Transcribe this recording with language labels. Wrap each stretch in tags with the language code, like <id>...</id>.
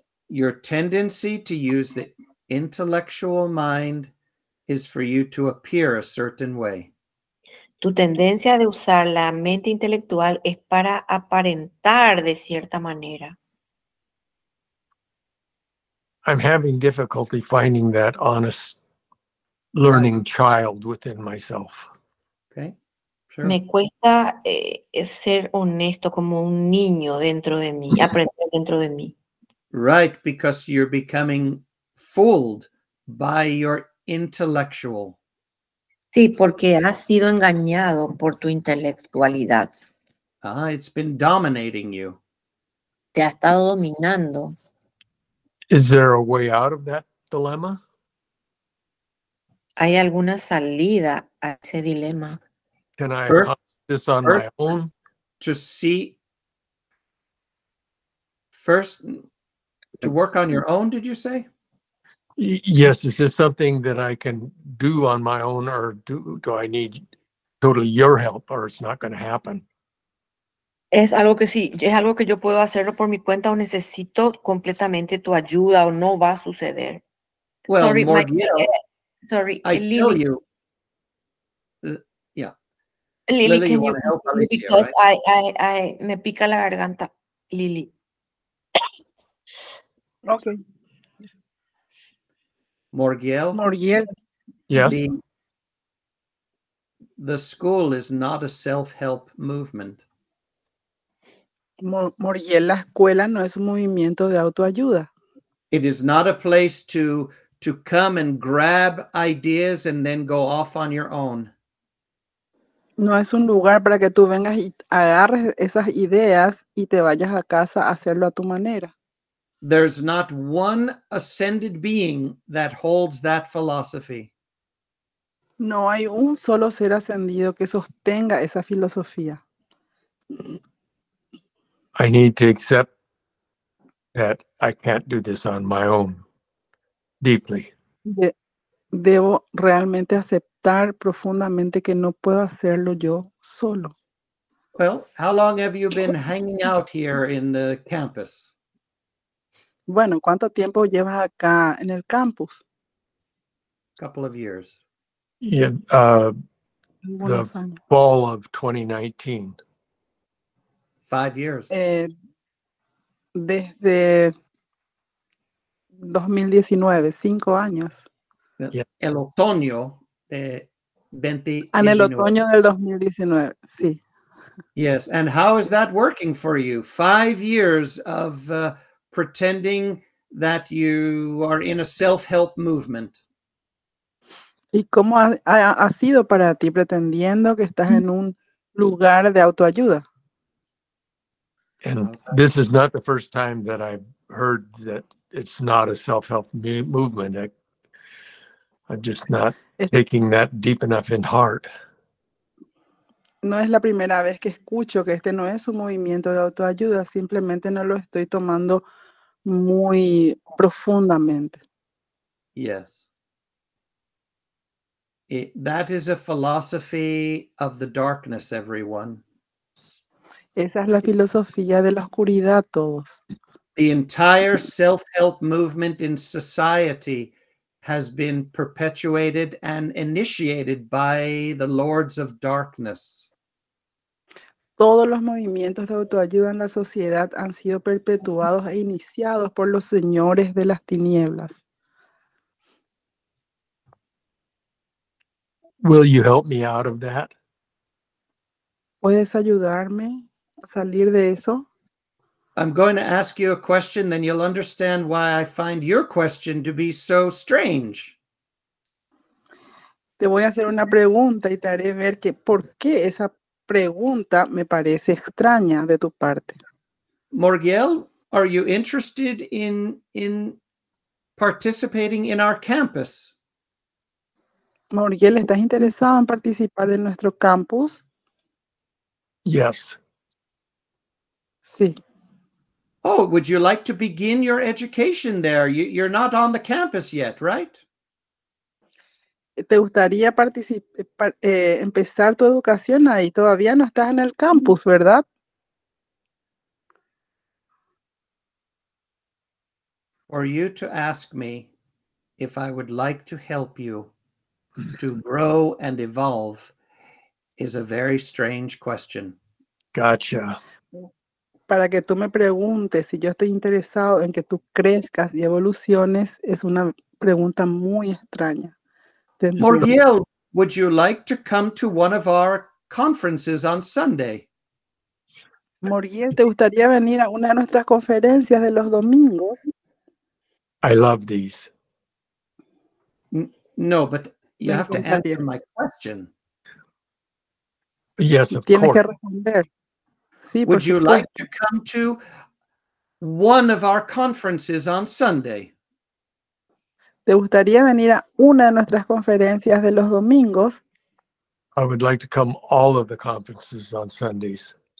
<en>Your tendency to use the intellectual mind is for you to appear a certain way.</en> <es>Tu tendencia de usar la mente intelectual es para aparentar de cierta manera.</es> <en>I'm having difficulty finding that honest learning child within myself. Okay, sure.</en> <es>Me cuesta ser honesto como un niño dentro de mí, aprender dentro de mí.</es> <en>Right, because you're becoming fooled by your intellectual.</en> <es>Sí, porque has sido engañado por tu intelectualidad.</es> <en>Ah, it's been dominating you.</en> <es>Te ha estado dominando.</es> <en>Is there a way out of that dilemma?</en> <es>¿Hay alguna salida a ese dilema?</es> <en>Can I first, accomplish this on first, my own? To see... First, to work on your own, did you say? Yes, is this something that I can do on my own, or do I need totally your help, or it's not going to happen?</en> <es>Es algo que sí, es algo que yo puedo hacerlo por mi cuenta, o necesito completamente tu ayuda, o no va a suceder.</es> <en>Well, sorry, more Mike, sorry, I tell Lily. You. Yeah. Lily, can you help me? Because I</en> <es>me pica la garganta,</es> <en>Lily. Okay. Morgiel? Yes. The school is not a self-help movement.</en> <es>Morgiel, la escuela no es un movimiento de autoayuda.</es> <en>It is not a place to come and grab ideas and then go off on your own.</en> <es>No es un lugar para que tú vengas y agarres esas ideas y te vayas a casa a hacerlo a tu manera.</es> <en>There's not one ascended being that holds that philosophy.</en> <es>No hay un solo ser ascendido que sostenga esa filosofía.</es> <en>I need to accept that I can't do this on my own, deeply.</en> <es>Debo realmente aceptar profundamente que no puedo hacerlo yo solo.</es> <en>Well, how long have you been hanging out here in the campus?</en> <es>Bueno, ¿cuánto tiempo llevas acá en el campus?</es> <en>Couple of years. Yeah, the fall of 2019. 5 years.</en> <es>Desde 2019, 5 años. Yeah. El otoño de 2019. En el otoño del 2019, sí.</es> <en>Yes, and how is that working for you? 5 years of... pretending that you are in a self-help movement.</en> <es>¿Y cómo ha sido para ti pretendiendo que estás en un lugar de autoayuda?</es> <en>And this is not the first time that I've heard that it's not a self-help movement. I'm just not taking that deep enough in heart.</en> <es>No es la primera vez que escucho que este no es un movimiento de autoayuda, simplemente no lo estoy tomando muy profundamente.</es> <en>Yes. That is a philosophy of the darkness, everyone.</en> <es>Esa es la filosofía de la oscuridad, todos.</es> <en>The entire self-help movement in society has been perpetuated and initiated by the lords of darkness.</en> <es>Todos los movimientos de autoayuda en la sociedad han sido perpetuados e iniciados por los señores de las tinieblas.</es> <en>Will you help me out of that?</en> <es>¿Puedes ayudarme a salir de eso?</es> <en>I'm going to ask you a question, then you'll understand why I find your question to be so strange.</en> <es>Te voy a hacer una pregunta y te haré ver que por qué esa pregunta me parece extraña de tu parte.</es> <en>Morgiel, are you interested in participating in our campus?</en> <es>Morgiel, ¿estás interesado en participar en nuestro campus?</es> <en>Yes.</en> <es>Sí.</es> <en>Oh, would you like to begin your education there? You're not on the campus yet, right?</en> <es>¿Te gustaría empezar tu educación ahí? Todavía no estás en el campus, ¿verdad?</es> <en>Or you to ask me if I would like to help you to grow and evolve is a very strange question. Gotcha.</en> <es>Para que tú me preguntes si yo estoy interesado en que tú crezcas y evoluciones es una pregunta muy extraña.</es> <en>Morgiel, would you like to come to one of our conferences on Sunday?</en> <es>Morgiel, ¿te gustaría venir a una de nuestras conferencias de los domingos?</es> <en>I love these. No, but you have to answer my question. Yes, of course.</en> <es>Tienes que responder. Sí,</es> <en>would you like to come to one of our conferences on Sunday?</en> <es>¿Te gustaría venir a una de nuestras conferencias de los domingos?</es> <en>I would like to come all of the conferences on Sundays.</en>